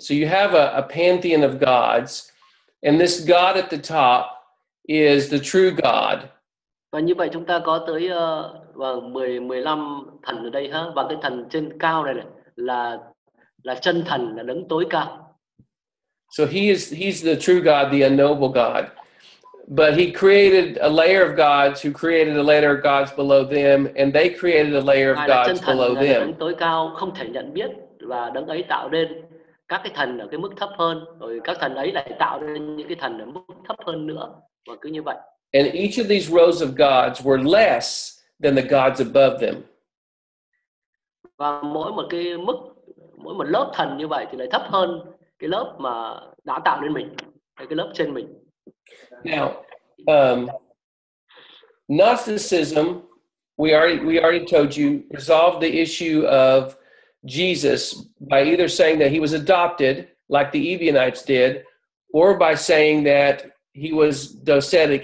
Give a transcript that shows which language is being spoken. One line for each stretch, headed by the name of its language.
English: So you have a pantheon of gods, and this God at the top is the true God.
Vietnamese: Và như vậy chúng ta có tới 15 thần ở đây ha, và cái thần trên cao này là chân thần, là đấng tối cao.
English: So he's the true God, the unknowable God. But he created a layer of gods who created a layer of gods below them, and they created a layer of gods below them.
Vietnamese: Đấng tối cao không thể nhận biết, và đấng ấy tạo nên các cái thần ở cái mức thấp hơn, rồi các thần ấy lại tạo nên những cái thần ở mức thấp hơn nữa, và cứ như vậy.
English: And each of these rows of gods were less than the gods above them.
Vietnamese: Và mỗi một cái mức, mỗi một lớp thần như vậy thì lại thấp hơn cái lớp mà đã tạo nên mình, cái lớp trên mình.
English: Now, Gnosticism, we already told you, resolved the issue of Jesus by either saying that he was adopted, like the Ebionites did, or by saying that he was docetic.